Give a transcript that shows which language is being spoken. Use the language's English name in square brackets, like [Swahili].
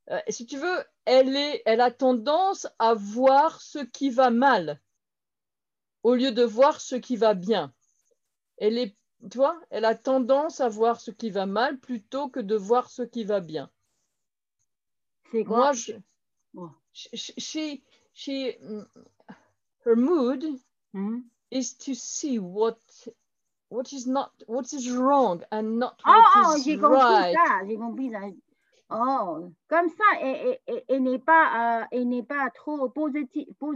[French] si tu veux, elle a tendance à voir ce qui va mal au lieu de voir ce qui va bien. Elle a tendance à voir ce qui va mal plutôt que de voir ce qui va bien. C'est quoi? Moi, [English] her mood is to see what is wrong and not [French] j'ai compris ça. Oh, comme ça, elle n'est pas trop positive.